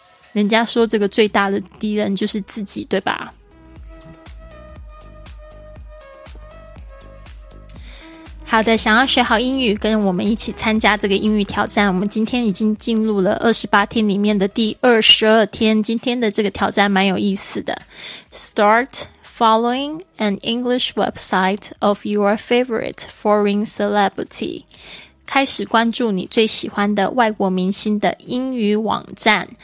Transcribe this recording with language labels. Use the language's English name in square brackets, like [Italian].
[Chinese] 人家说这个最大的敌人就是自己，对吧？好的，想要学好英语跟我们一起参加这个英语挑战，我们今天已经进入了28天里面的第22天。今天的这个挑战蛮有意思的。 [English] Start following an English website of your favorite foreign celebrity. [Chinese] 开始关注你最喜欢的外国明星的英语网站。